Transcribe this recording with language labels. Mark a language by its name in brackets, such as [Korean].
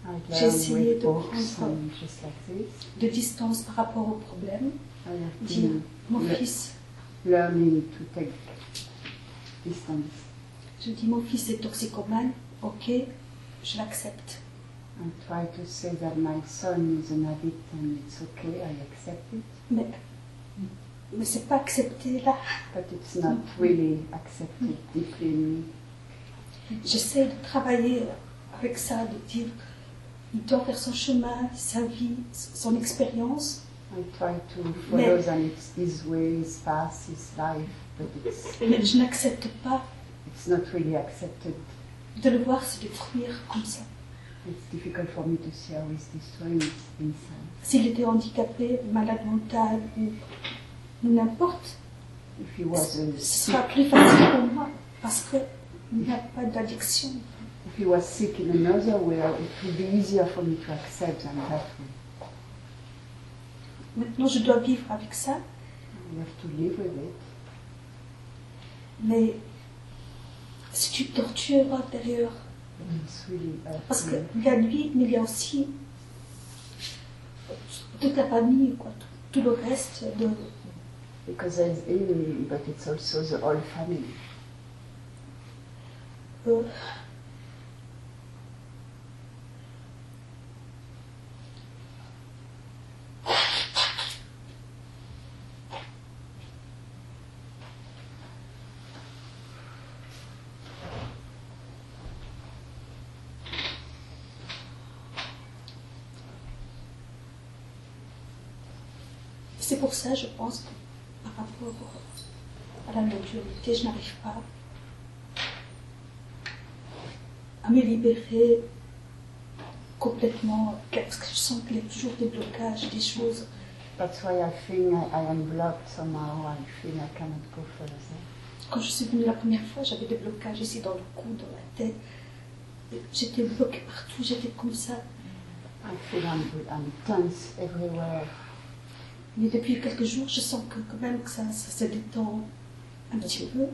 [French] J'ai essayé de prendre de distance par rapport au problème. Dire, mon fils... [English] Learning to take distance. [French] Je dis, mon fils est toxicomane, ok, je l'accepte. [English] I try to say that my son is an addict and it's okay, I accept it. [French] Mais c'est pas accepté là. [English] But it's not really accepted deeply in me. [French] J'essaie de travailler avec ça, de dire, il doit faire son chemin, sa vie, son expérience. [English] I try to follow his way, his path, his life, but it's... [French] Mais je n'accepte pas. [English] It's not really accepted. [French] De le voir se détruire comme ça. [English] It's difficult for me to see how he's destroying himself. [French] S'il était handicapé, malade mental ou n'importe, [English] if he was [French] ce sera plus facile pour moi parce qu'il n'y a pas d'addiction. [English] If he was sick in another way, it would be easier for me to accept than that way. [French] Maintenant, je dois vivre avec ça. [English] I have to live with it. [French] Mais c'est une torture intérieure. [English] Really [French] parce que il y a lui, mais il y a aussi toute la famille, quoi, tout le reste de. [English] Because there's him, but it's also the whole family. [French] C'est pour ça, je pense, que par rapport à la non-dualité, je n'arrive pas à me libérer complètement, parce que je sens qu'il y a toujours des blocages, des choses. [English] That's why I think I am blocked somehow. I feel I cannot go further. [French] Quand je suis venue la première fois, j'avais des blocages ici dans le cou, dans la tête. J'étais bloquée partout, j'étais comme ça. [English] I feel I'm tense everywhere. [French] Mais depuis quelques jours, je sens que quand même que ça se détend un petit peu.